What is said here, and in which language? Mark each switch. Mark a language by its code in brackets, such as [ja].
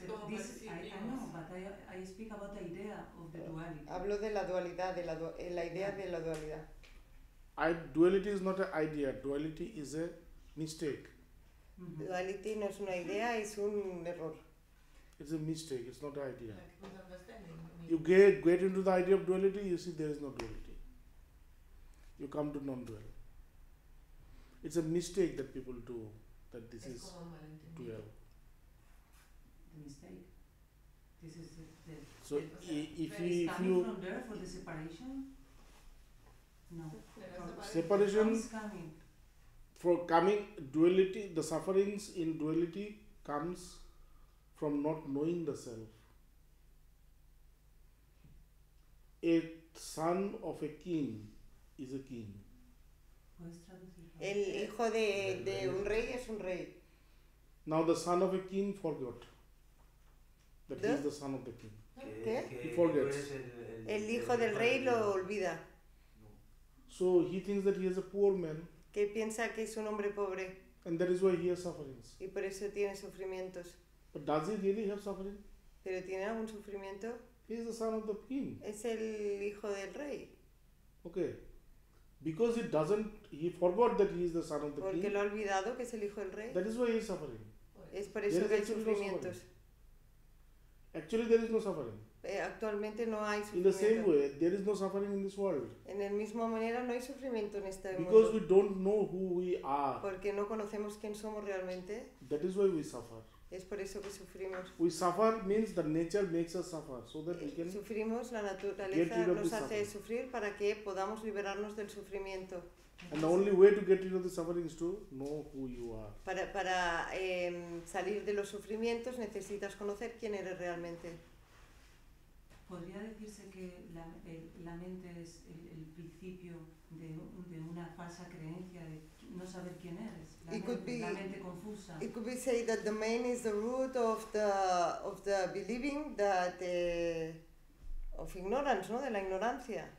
[en] I speak about the idea of the duality. [es] Hablo de la dualidad, de la idea de la dualidad. [en] Duality is not an idea. Duality is a mistake. [es] Mm-hmm. Duality no es una idea, es un error. [en] It's a mistake. It's not an idea. you get into the idea of duality, you see there is no duality. You come to non-dual. It's a mistake that people do, that this is dual. The mistake? This is the so if you... From there for the separation? No. Separation is coming. For coming, duality, the sufferings in duality comes from not knowing the self. A son of a king is a king. [es] El hijo de un rey es un rey. [en] Now the son of a king forgot that the? He is the son of the king. [es] ¿Qué? [en] He forgets. [es] El hijo del rey lo olvida. [en] So he thinks that he is a poor man. [es] Que piensa que es un hombre pobre. [en] And that is why he has sufferings. [es] Y por eso tiene sufrimientos. [en] But does he really have suffering? [es] ¿Pero tiene algún sufrimiento? [en] He is the son of the king. [es] Es el hijo del rey. [en] Okay. Because he doesn't, he forgot that he is the son of the [es] porque [en] king. [es] Porque lo ha olvidado que es el hijo del rey. [en] That is why he is suffering. [es] Es por eso [en] there [es] que hay sufrimientos. [en] No actually there is no suffering. [es] Actualmente no hay sufrimiento. [en] In the same way, there is no suffering in this world. [es] En el mismo manera no hay sufrimiento en este mundo. [en] Because we don't know who we are. [es] Porque no conocemos quién somos realmente. [en] That is why we suffer. [es] Es por eso que sufrimos. [en] We suffer means the nature makes us suffer so that we can. [es] Sufrimos, la naturaleza nos hace sufrir para que podamos liberarnos del sufrimiento. [en] And the only way to get rid of the suffering is to know who you are. [es] Para salir de los sufrimientos necesitas conocer quién eres realmente. ¿Podría decirse que la mente es el principio de una falsa creencia de no saber quién eres? La mente confusa. [en] It could be said that the mind is the root of the believing that of ignorance, [es] no, de la ignorancia.